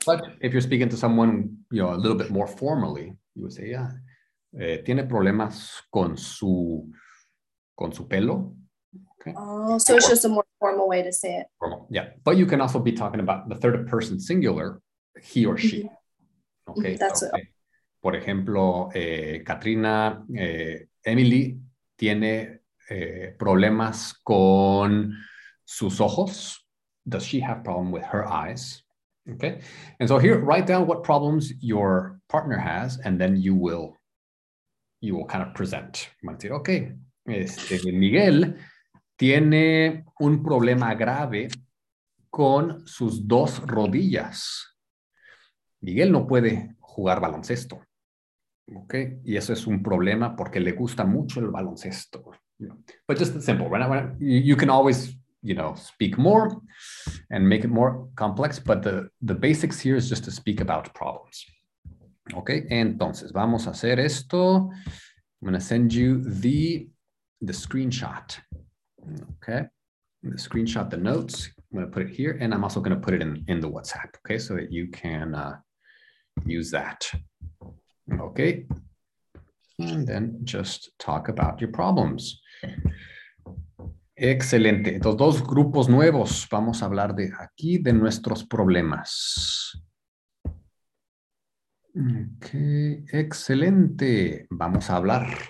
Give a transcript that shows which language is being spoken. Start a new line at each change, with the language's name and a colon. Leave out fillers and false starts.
English: But if you're speaking to someone, you know, a little bit more formally, you would say, yeah,
Spanish: tiene problemas con su pelo.
English: Okay. Oh, so it's just a more formal way to say it. Formal. Yeah. But you can also be talking about the third person singular, he or she. Mm-hmm. Okay. That's okay.
Spanish: Por ejemplo, Katrina, Emily tiene problemas con sus ojos.
English: Does she have problem with her eyes? Okay. And so here, write down what problems your partner has, and then you will kind of present. You might say, okay,
Spanish: Miguel tiene un problema grave con sus dos rodillas. Miguel no puede jugar baloncesto. Okay. Y eso es un problema porque le gusta mucho el baloncesto.
English: But just simple, right? You can always, you know, speak more and make it more complex, but the basics here is just to speak about problems. Okay,
Spanish: entonces vamos a hacer esto.
English: I'm going to send you the screenshot. Okay, the screenshot, the notes. I'm going to put it here, and I'm also going to put it in the WhatsApp, okay, so that you can use that. Okay, and then just talk about your problems.
Spanish: Excelente. Entonces, dos grupos nuevos. Vamos a hablar de aquí de nuestros problemas. Ok, excelente. Vamos a hablar.